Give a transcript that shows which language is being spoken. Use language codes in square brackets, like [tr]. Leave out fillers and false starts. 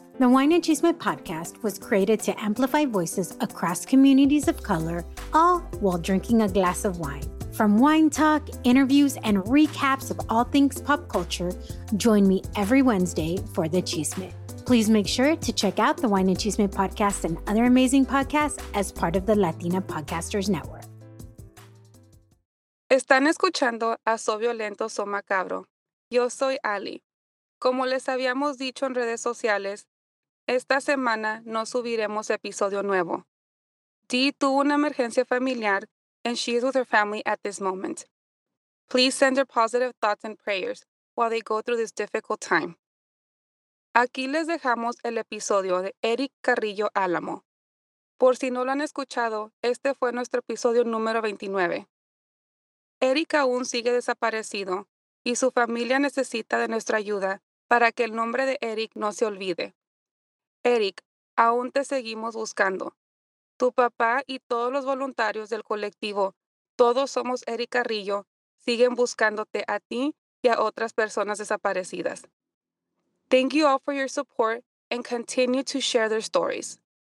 [en] The Wine and Chisme podcast was created to amplify voices across communities of color, all while drinking a glass of wine. From wine talk, interviews, and recaps of all things pop culture, join me every Wednesday for the chisme. Please make sure to check out the Wine and Chisme podcast and other amazing podcasts as part of the Latina Podcasters Network. [es] Están escuchando a So Violento, So Macabro. Yo soy Ali. Como les habíamos dicho en redes sociales, esta semana no subiremos episodio nuevo. [en] Dee [es] tuvo una emergencia familiar, [en] and she is with her family at this moment. Please send her positive thoughts and prayers while they go through this difficult time. [es] Aquí les dejamos el episodio de Erick Carrillo Alamo. Por si no lo han escuchado, este fue nuestro episodio número 29. Erick aún sigue desaparecido y su familia necesita de nuestra ayuda para que el nombre de Erick no se olvide. Erick, aún te seguimos buscando. Tu papá y todos los voluntarios del colectivo Todos Somos Erick Carrillo siguen buscándote a ti y a otras personas desaparecidas. [en] Thank you all for your support and continue to share their stories.